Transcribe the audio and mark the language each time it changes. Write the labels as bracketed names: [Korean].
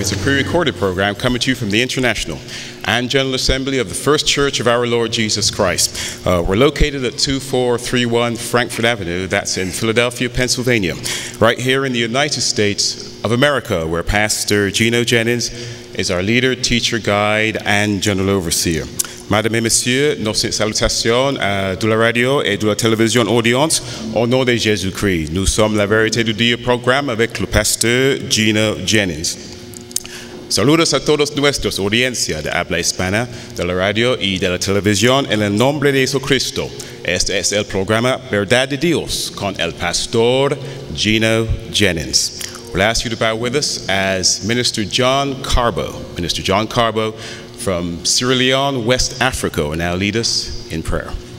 [English] It's a pre-recorded program coming to you from the International and General Assembly of the First Church of our Lord Jesus Christ. We're located at 2431 Frankfort Avenue. That's in Philadelphia, Pennsylvania, right here in the United States of America, where Pastor Gino Jennings is our leader, teacher, guide, and general overseer. [French] Madame et messieurs, nos salutations de la radio et de la télévision audience au nom de Jésus-Christ. Nous sommes la vérité du Dieu programme avec le pasteur Gino Jennings. [Spanish] Saludos a todos nuestros audiencia de habla hispana de la radio y de la televisión en el nombre de Jesucristo. Este es el programa Verdad de Dios con el pastor Gino Jennings. [English] We'll ask you to bow with us as Minister John Carbo. Minister John Carbo from Sierra Leone, West Africa, will now lead us in prayer.